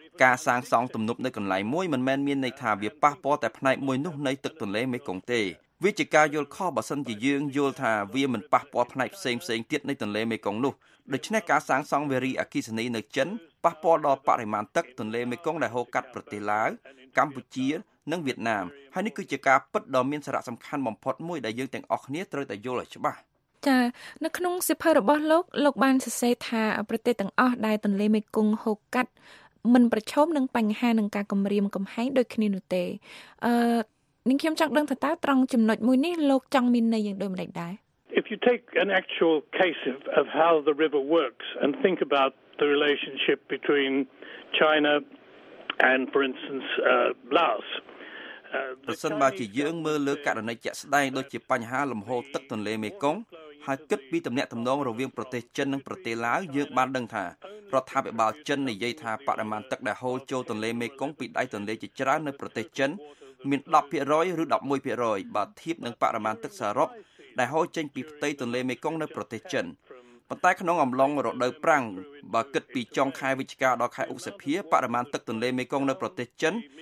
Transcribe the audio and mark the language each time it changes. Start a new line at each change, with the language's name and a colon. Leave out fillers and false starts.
Khmer: ការសាងសង់ទំនប់នៅកន្លែងមួយមិនមែនមានន័យថាវាប៉ះពាល់តែផ្នែកមួយនោះនៃទឹកទន្លេមេគង្គទេវាជាការយល់ខុសបើសិនជាយើងយល់ថាវាមិនប៉ះពាល់ផ្នែកផ្សេងផ្សេងទៀតនៃទន្លេមេគង្គនោះដូច្នេះការសាងសង់វារីអគ្គិសនីនៅចិនប៉ះពាល់ដល់បរិមាណទឹកទន្លេមេគង្គដែលហូរកាត់ប្រទេសឡាវកម្ពុជានិងវៀតណាមហើយនេះគឺជាការពិតដ៏មានសារៈសំខាន់បំផុតមួយដែលយើងទាំងអស់គ្នាត្រូវតែយល់ឲ្យច្បាស់ ចា៎នៅក្នុងសៀវភៅរបស់លោកបានសរសេរថាប្រទេសទាំងអស់ដែលទន្លេមេគង្គហូរកាត់មិនប្រឈមនឹងបញ្ហានឹងការគំរាមកំហែងដូចគ្នានោះទេនឹងខ្ញុំចង់ដឹងថាតើត្រង់ចំណុចមួយនេះលោកចង់មានន័យយ៉ាងដូចម្ដេចដែរ
English: If you take an actual case of how the river works and think about the relationship between China and for instance Laos
Khmer: ប្រសិនបើយើងមើលលើករណីជាក់ស្ដែងដូចជាបញ្ហាលំហូរទឹកទន្លេមេគង្គហើយគិតពីទំនាក់ទំនងរវាងប្រទេសចិននិងប្រទេសឡាវយើងបានដឹងថារដ្ឋាភិបាលចិននិយាយថាបរិមាណទឹកដែលហូរចូលទន្លេមេគង្គពីដៃទន្លេជាច្រើននៅប្រទេសចិនមាន 10% ឬ 11% បើធៀបនឹងបរិមាណទឹកសរុបដែលហូរចេញពីផ្ទៃទន្លេមេគង្គនៅប្រទេសចិនប៉ុន្តែក្នុងអំឡុងរដូវប្រាំងបើគិតពីចុងខែវិច្ឆិកាដល់ខែឧសភាបរិមាណទឹកទន្លេមេគង្គនៅប្រទេសចិន